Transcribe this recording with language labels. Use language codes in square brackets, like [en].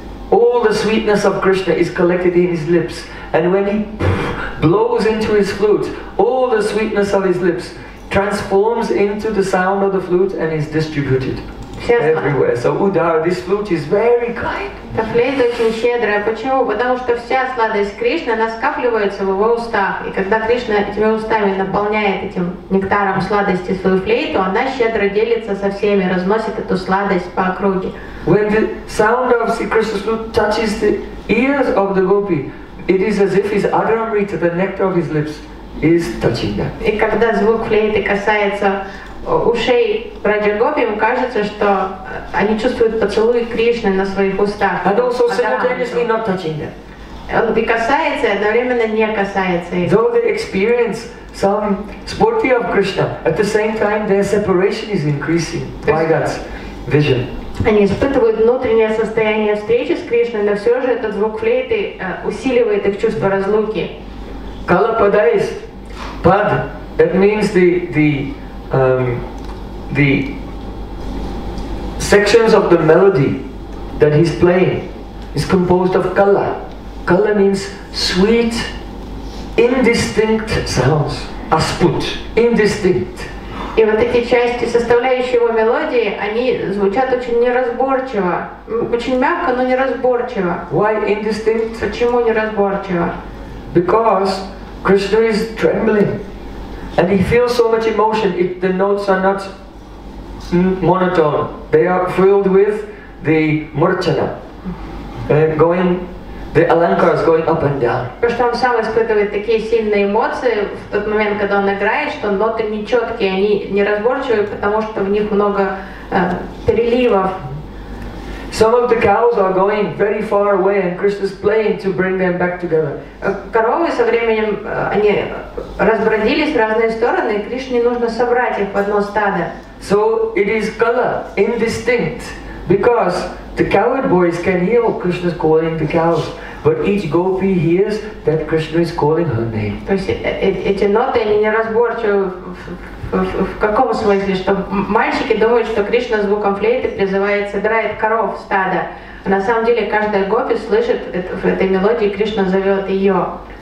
[en] All the sweetness of Krishna is collected in his lips, and when he blows into his flute, all the sweetness of his lips transforms into the sound of the flute and is distributed everywhere. So Udara, this flute is very kind. [ru] Эта флейта очень щедрая. Почему? Потому что вся сладость Кришны, она скапливается в его устах. И когда Кришна этими устами наполняет этим нектаром сладости свою флейту, она щедро делится со всеми, разносит эту сладость по округе. [en] When the sound of Sri Krishna's flute touches the ears of the gopi, it is as if his adharamrita, the nectar of his lips, is touching them. [ru] И когда звук флейты касается ушей Раджа-гопи, им кажется, что они чувствуют поцелуи Кришны на своих устах. [en] And also simultaneously not touching them. [ru] И касается, одновременно не касается их. [en] Though they experience some spurti of Krishna, at the same time their separation is increasing by God's vision. [ru] Они испытывают внутреннее состояние встречи с Кришной, но все же этот звук флейты усиливает их чувство разлуки. [en] Калападайс, пад, that means the sections of the melody that he's playing is composed of kala. Kala means sweet, indistinct sounds, asput, indistinct. [ru] И вот эти части, составляющие его мелодии, они звучат очень неразборчиво. Очень мягко, но неразборчиво. [en] Why indistinct? [ru] Почему неразборчиво? [en] Because Krishna is trembling. And he feels so much emotion, the notes are not monotone. They are filled with the murchana. The alankar is going up and down. [ru] Потому что он сам испытывает такие сильные эмоции в тот момент, когда он играет, что ноты нечеткие, они неразборчивые, потому что в них много переливов. [en] Some of the cows are going very far away, and Krishna's playing to bring them back together. [ru] Коровы со временем они разбродились в разные стороны, и Кришне нужно собрать их в одно стадо. [en] So it is kala, indistinct, because the cowherd boys can hear what Krishna is calling the cows, but each gopi hears that Krishna is calling her name. [ru] То есть эти ноты они неразборчивы в каком смысле, что мальчики думают, что Кришна звуком флейты призывает, собирает коров стада. На самом деле каждая гопи слышит в этой мелодии Кришна зовет ее.